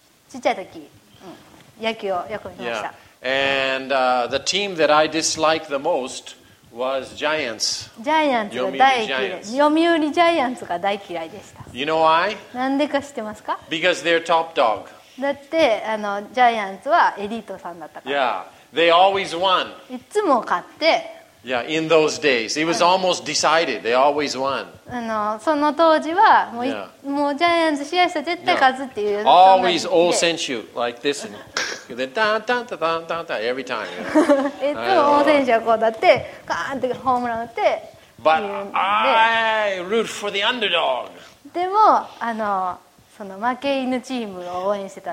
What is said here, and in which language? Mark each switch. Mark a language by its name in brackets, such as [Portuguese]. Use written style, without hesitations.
[Japanese] ちっちゃい時、野球をよく見ました。 Yeah. [English] And the team that I disliked the most was Giants. [Japanese] Giants が大嫌い。読売ジャイアンツが大嫌いでした。 [English] You know why? [Japanese] なんでか知ってますか? [English] Because they're top dog. [Japanese] だってジャイアンツはエリートさんだったから。 [English] Yeah. They always won. [Japanese] いつも勝って。 [English] Yeah, in those days, it was almost decided. They always won. [Japanese] その当時はもう、yeah. もうジャイアンツ試合したら絶対勝つっていう。 Yeah. [English] Always old senshu like this, and then da da da da da da every time. [Japanese] いつも old senshu はこうだって、カーンってホームラン打って。 [English] But I root for the underdog. [Japanese] でもその負け犬チームを応援してた。